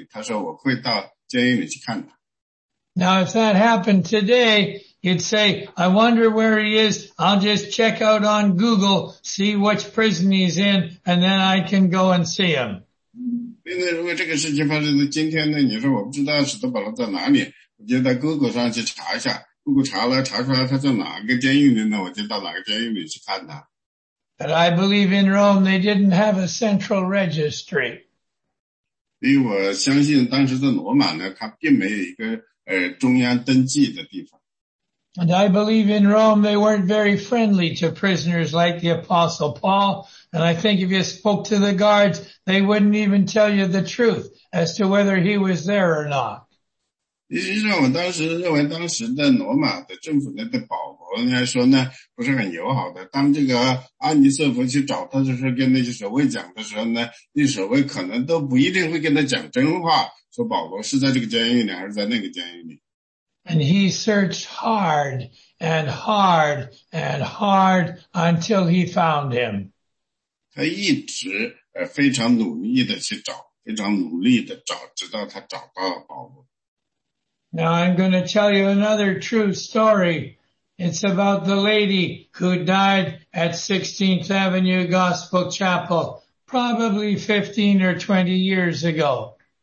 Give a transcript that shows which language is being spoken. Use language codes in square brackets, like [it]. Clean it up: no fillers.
[zh] 所以他那个阿尼瑟弗就知道他在罗马监狱里，他说我会到监狱里去看他。 [en] Now if that happened today, you'd say, I wonder where he is, I'll just check out on Google, see which prison he's in, and then I can go and see him. [zh] 因为如果这个事情发生在今天呢，你说我不知道使徒保罗在哪里，我就在Google上去查一下。Google查了，查出来他在哪个监狱里呢？我就到哪个监狱里去看他。 [en] But I believe in Rome they didn't have a central registry. [zh] 因为我相信当时在罗马呢，他并没有一个中央登记的地方。 [en] And I believe in Rome, they weren't very friendly to prisoners like the Apostle Paul. And I think if you spoke to the guards, they wouldn't even tell you the truth as to whether he was there or not. [zh] 实际上我当时认为当时的罗马的政府的保罗来说呢不是很友好的当这个安妮瑟夫去找他的时候跟那些守卫讲的时候呢那守卫可能都不一定会跟他讲真话说保罗是在这个监狱里还是在那个监狱里。 [en] And he searched hard and hard and hard until he found him. [zh] 他一直非常努力的去找，非常努力的找，直到他找到了保罗。 [en] Now I'm going to tell you another true story. It's about the lady who died at 16th Avenue Gospel Chapel, probably 15 or 20 years ago.